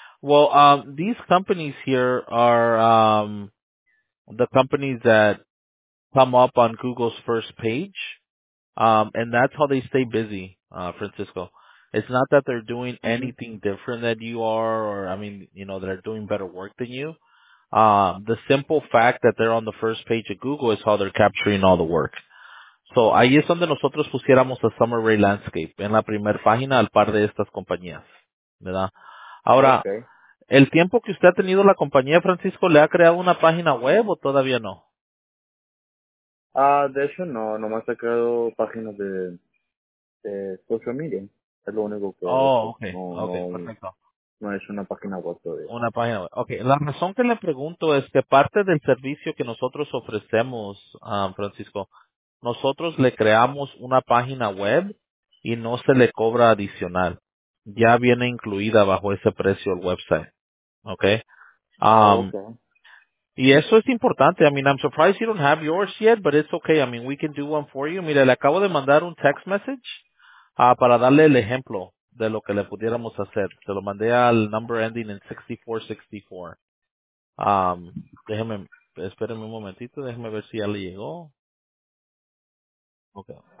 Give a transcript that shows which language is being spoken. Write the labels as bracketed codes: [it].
[en] Well, these companies here are the companies that come up on Google's first page, and that's how they stay busy, Francisco. It's not that they're doing anything different than you are, or, I mean, you know, they're doing better work than you. The simple fact that they're on the first page of Google is how they're capturing all the work. [es] So, ahí es donde nosotros pusiéramos a Summer Rae Landscape, en la primera página, al par de estas compañías, ¿verdad? Ahora, el tiempo que usted ha tenido la compañía, Francisco, ¿le ha creado una página web o todavía no? De hecho, no. Nomás he creado páginas de social media. Es lo único que... Perfecto. No es una página web todavía. Una página web. Okay. La razón que le pregunto es que parte del servicio que nosotros ofrecemos, Francisco... Nosotros le creamos una página web y no se le cobra adicional. Ya viene incluida bajo ese precio el website. Okay? Okay. Y eso es importante. [en] I mean, I'm surprised you don't have yours yet, but it's okay. I mean, we can do one for you. [es] Mira, le acabo de mandar un text message para darle el ejemplo de lo que le pudiéramos hacer. Se lo mandé al [en] number ending in [es] 6464. Déjeme, espérenme un momentito. Déjeme ver si ya le llegó. Okay.